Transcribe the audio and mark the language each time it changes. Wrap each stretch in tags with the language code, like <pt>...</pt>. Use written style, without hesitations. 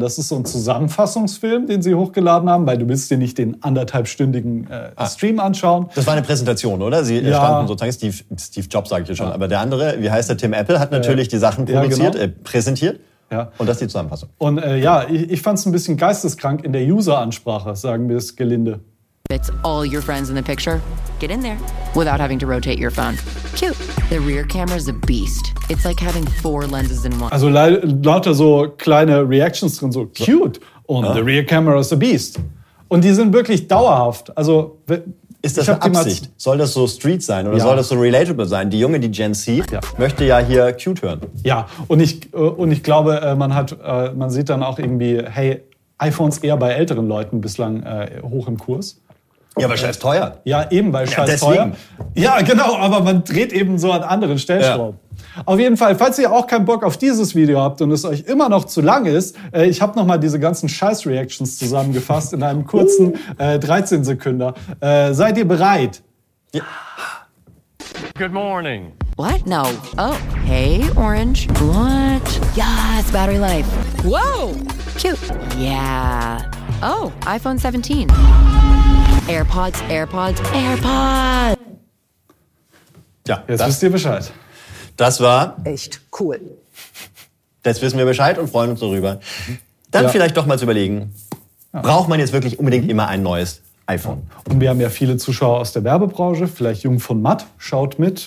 <de>Das ist so ein Zusammenfassungsfilm, den sie hochgeladen haben, weil du willst dir nicht den anderthalbstündigen Stream anschauen. Das war eine Präsentation, oder? Sie standen sozusagen, Steve Jobs sage ich hier schon, aber der andere, wie heißt der, Tim Apple, hat natürlich die Sachen produziert, präsentiert. Ja. Und das ist die Zusammenfassung. Und ich fand es ein bisschen geisteskrank in der User-Ansprache, sagen wir es gelinde.</de> <en>Fits all your friends in the picture. Get in there without having to rotate your phone. Cute. The rear camera is a beast. It's like having four lenses in one.</en> <de>Also lauter so kleine Reactions drin, so cute. Und</de> <en>the rear camera is a beast.</en> <de>Und die sind wirklich dauerhaft. Also ist das eine Absicht? Soll das so street sein oder soll das so relatable sein? Die junge, die Gen Z, möchte ja hier cute hören. Ja, und ich glaube, man sieht dann auch irgendwie, hey, iPhones eher bei älteren Leuten bislang hoch im Kurs. Ja, weil scheiß teuer. Ja, eben, weil scheiß teuer. Ja, genau, aber man dreht eben so an anderen Stellschrauben. Ja. Auf jeden Fall, falls ihr auch keinen Bock auf dieses Video habt und es euch immer noch zu lang ist, ich habe nochmal diese ganzen Scheiß-Reactions zusammengefasst in einem kurzen 13-Sekünder. Seid ihr bereit? Ja.</de> <en>Good morning. What? No. Oh, hey, Orange. What? Yes, battery life. Whoa! Cute. Yeah. Oh, iPhone 17. AirPods, AirPods, AirPods.</en> <de>Ja, jetzt wisst ihr Bescheid. Das war echt cool. Jetzt wissen wir Bescheid und freuen uns darüber. Dann vielleicht doch mal zu überlegen, braucht man jetzt wirklich unbedingt immer ein neues iPhone? Und wir haben ja viele Zuschauer aus der Werbebranche, vielleicht Jung von Matt, schaut mit.</de>